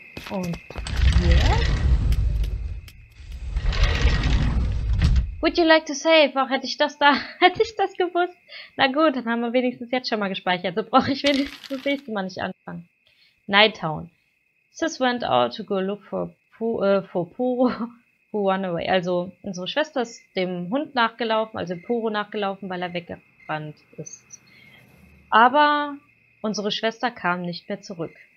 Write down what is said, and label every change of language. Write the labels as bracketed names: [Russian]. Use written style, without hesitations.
[German] Und hier? [English] Would you like to save? [German] Auch hätte ich das gewusst. Na gut, dann haben wir wenigstens jetzt schon mal gespeichert. So brauche ich wenigstens das nächste Mal nicht anfangen. [English] Night Town. Sis went out to go look for Poro, who ran away. [German] Also, unsere Schwester ist dem Hund nachgelaufen, also Poro nachgelaufen, weil er weggerannt ist. Aber unsere Schwester kam nicht mehr zurück.